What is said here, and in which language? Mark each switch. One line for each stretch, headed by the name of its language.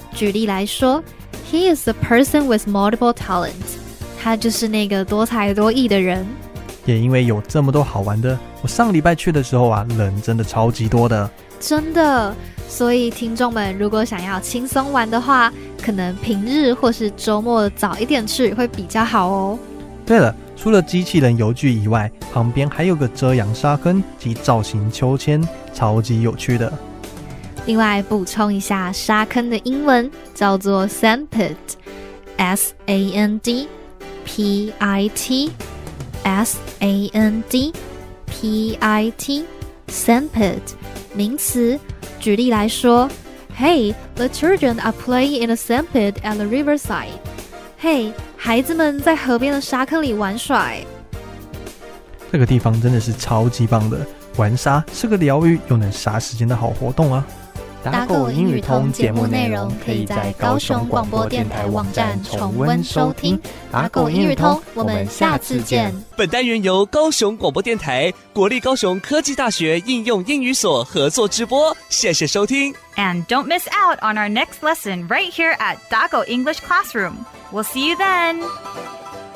Chinese: 举例来说，
English: He is a person with multiple talents.
Chinese: 他就是那个多才多艺的人。也因为有这么多好玩的，我上礼拜去的时候啊，人真的超级多的，真的。所以听众们如果想要轻松玩的话，可能平日或是周末早一点去会比较好哦。对了，除了机器人游具以外，旁边还有个遮阳沙坑及造型秋千，超级有趣的。另外补充一下，沙坑的英文叫做 sandpit， S-A-N-D-P-I-T， S-A-N-D-P-I-T， sandpit， 名词。举例来说，
English: Hey, the children are playing in a sandpit at the riverside.
Chinese: Hey,孩子们在河边的沙坑里玩耍。这个地方真的是超级棒的，玩沙是个疗愈又能杀时间的好活动啊。打狗英语通节目内容可以在高雄广播电台网站重温收听。打狗英语通，我们下次见。本单元由高雄广播电台、国立高雄科技大学应用英语所合作直播，谢谢收听。
English: And don't miss out on our next lesson right here at 打狗 English Classroom. We'll see you then.